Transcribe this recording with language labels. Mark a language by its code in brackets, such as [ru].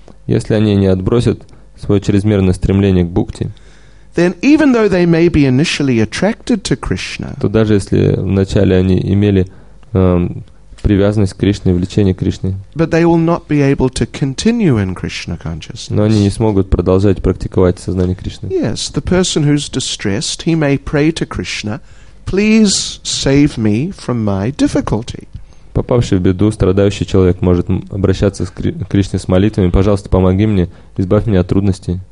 [ru] Если они не отбросят свое чрезмерное стремление к бхакти. [en] Then even though they may be initially attracted to Krishna. [ru] То даже если вначале они имели привязанность к Кришне, влечение к Кришне. [en] But they will not be able to continue in Krishna consciousness. [ru] Но они не смогут продолжать практиковать сознание Кришны. [en] Yes, the person who's distressed, he may pray to Krishna, please save me from my difficulty. [ru] Попавший в беду, страдающий человек может обращаться к Кришне с молитвами: «Пожалуйста, помоги мне, избавь меня от трудностей».